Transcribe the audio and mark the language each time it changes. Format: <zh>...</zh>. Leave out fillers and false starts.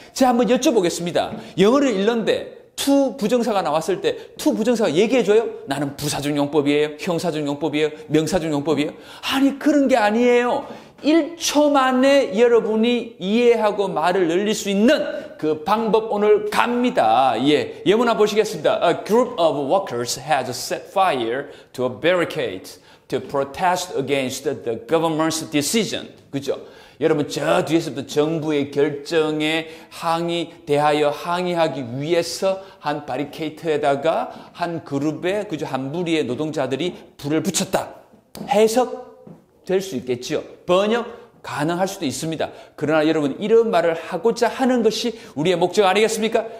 <ko>제가 한번 여쭤보겠습니다. 영어를 읽는데 투부정사가 나왔을 때 투부정사가 얘기해 줘요? 나는 부사중용법이에요? 형사중용법이에요? 명사중용법이에요? 아니, 그런 게 아니에요. 1초 만에 여러분이 이해하고 말을 늘릴 수 있는 그 방법 오늘 갑니다. 예, 예문 한번 보시겠습니다.</ko> <en>A group of workers has set fire to a barricade to protest against the government's decision.</en> <ko>그죠? 여러분, 저 뒤에서부터 정부의 결정에 항의하기 위해서 한 바리케이트에다가 한 그룹의, 그죠? 한 무리의 노동자들이 불을 붙였다. 해석 될 수 있겠죠. 번역 가능할 수도 있습니다. 그러나 여러분, 이런 말을 하고자 하는 것이 우리의 목적 아니겠습니까?</ko>